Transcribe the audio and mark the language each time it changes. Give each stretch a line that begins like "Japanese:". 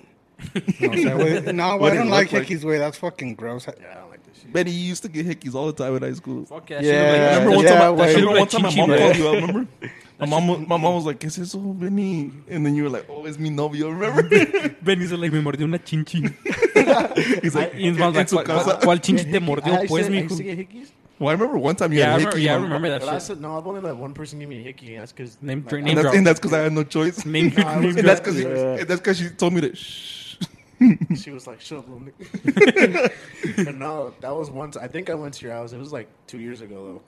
English: No, I don't like hickeys, way. That's fucking gross. Yeah, I don't like this shit. Benny, you used to get hickeys all the time in high school. Fuck yeah. Remember one time my mom called you out, remember? My mom was like,
Spanish: ¿qué es eso, Benny?
English: And then you were like, oh, it's
Spanish: mi novio,
English: remember? Benny's like,
Spanish: me mordió una chinchi.
English: He's like, I, okay, like
Spanish: ¿cuál chinchi te mordió, pues, mijo?
English: Well, I remember one time you had a hickey. Yeah, I remember that shit. No, I've only let one person give me a hickey. That's because... And that's because I had no choice. That's because she told me to shh. She was like, shut up, little nigga. No, that was once. I think I went to your house. It was like 2 years ago, though.